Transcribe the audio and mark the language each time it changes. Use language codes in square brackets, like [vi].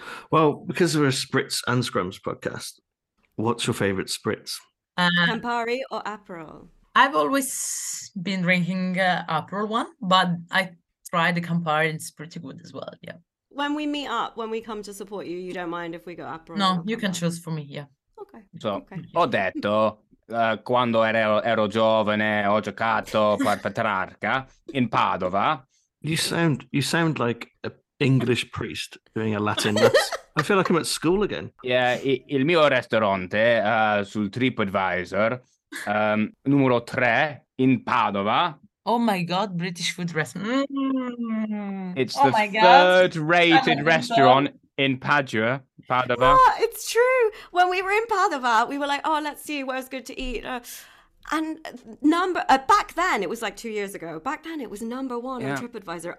[en] Well, because we're a Spritz and Scrums podcast, what's your favorite Spritz? Campari or Aperol? I've always been drinking Aperol one, but I tried the Campari and it's pretty good as well, yeah. When we meet up, when we come to support you, you don't mind if we go Aperol? No, you can choose for me, yeah. Okay. So, okay. [it] Ho detto, quando ero giovane, ho giocato per Petrarca in Padova. [en] You sound like an English priest doing a Latin mass. I feel like I'm at school again. [it] Yeah, il mio ristorante sul TripAdvisor, numero 3 in Padova. [en] Oh my god, British food restaurant. Mm. It's the third rated restaurant in Padua, Padova. Yeah, it's true. When we were in Padova, we were like, oh, let's see where's good to eat. And back then, it was like 2 years ago, back then it was number one on TripAdvisor.